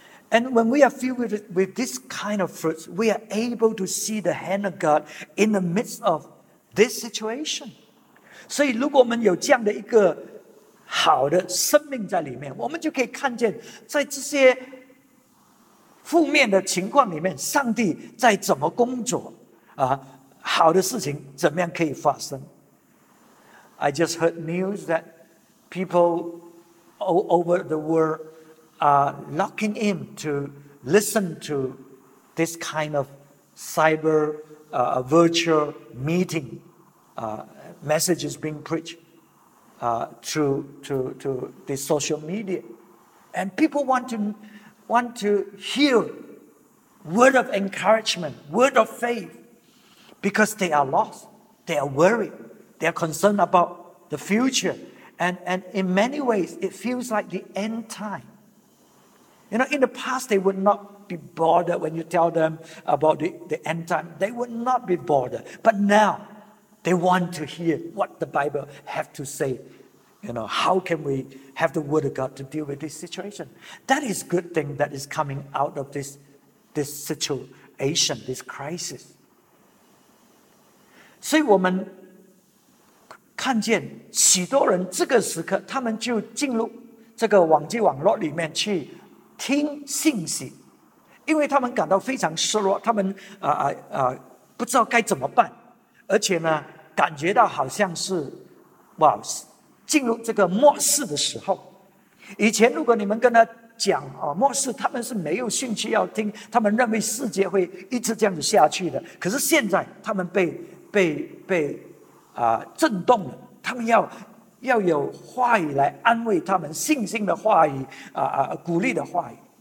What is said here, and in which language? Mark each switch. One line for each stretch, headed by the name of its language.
English: And when we are filled with this kind of fruits, we are able to see the hand of God in the midst of this situation.
Chinese: 所以如果我们有这样的一个好的生命在里面，我们就可以看见在这些负面的情况里面，上帝在怎么工作，好的事情怎么样可以发生。
English: I just heard news that people all over the world are locking in to listen to this kind of cyber virtual meeting messages being preached through the social media. And people want to hear word of encouragement, word of faith, because they are lost, they are worried, they are concerned about the future. And in many ways, it feels like the end time. You know, in the past, they would not be bothered when you tell them about the end time. They would not be bothered. But now, they want to hear what the Bible have to say. You know, how can we have the Word of God to deal with this situation? That is a good thing that is coming out of this situation, this crisis.
Chinese: 所以我们 看见许多人这个时刻，他们就进入这个网际网络里面去听信息，因为他们感到非常失落，他们不知道该怎么办，而且呢，感觉到好像是哇，进入这个末世的时候。以前如果你们跟他讲末世，他们是没有兴趣要听，他们认为世界会一直这样子下去的。可是现在，他们被 震动了，他们要有话语来安慰他们信心的话语，鼓励的话语。